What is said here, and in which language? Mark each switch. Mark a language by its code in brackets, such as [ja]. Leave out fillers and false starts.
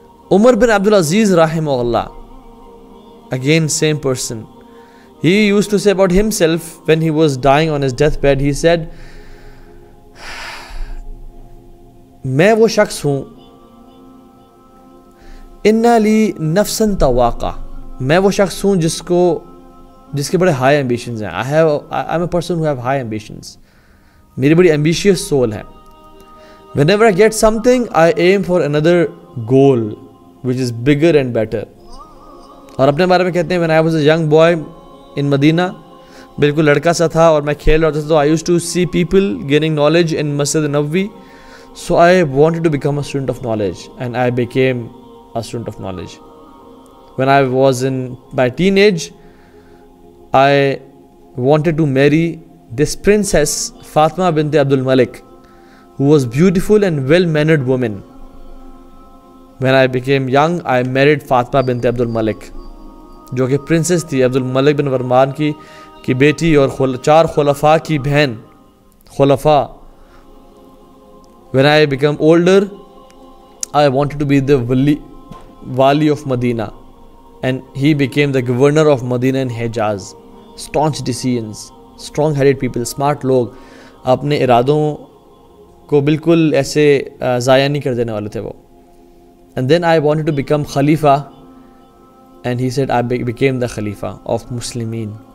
[en] Umar bin Abdul Aziz رحمہ اللہ, again same person, he used to say about himself when he was dying on his death bed, he said [ur] میں وہ شخص ہوں, [ar] ان لی نفسن تواقع, [ur] میں وہ شخص ہوں جس کے بڑے ہائی ایمبیشنز ہیں, [en] I am a person who have high ambitions, [ur] میری بڑی ایمبیشیس سول ہے. [en] Whenever I get something, I aim for another goal which is bigger and better. [ur] اور اپنے بارے میں کہتے ہیں, [en] when I was a young boy in Medina, [ur] بالکل لڑکا سا تھا اور میں کھیل رہا تھا, [en] تو I used to see people gaining knowledge in Masjid Nabawi, so I wanted to become a student of knowledge and I became a student of knowledge. When I was in my teenage, I wanted to marry this princess Fatima binti Abdul Malik, who was beautiful and well-mannered woman. When I became young, I married Fatima binti Abdul Malik, [ur] جو کہ princess تھی عبد الملک بن ورمان کی بیٹی اور چار خلفاء کی بہن, خلفاء. [en] When I became older, I wanted to be the wali of Medina, and he became the governor of Medina and Hijaz. Staunch decisions, strong-headed people, smart [ur] لوگ, اپنے ارادوں کو بالکل ایسے ضائع نہیں کر دینے والے تھے وہ. [en] And then I wanted to become خلیفہ and he said I became the خلیفہ of مسلمین.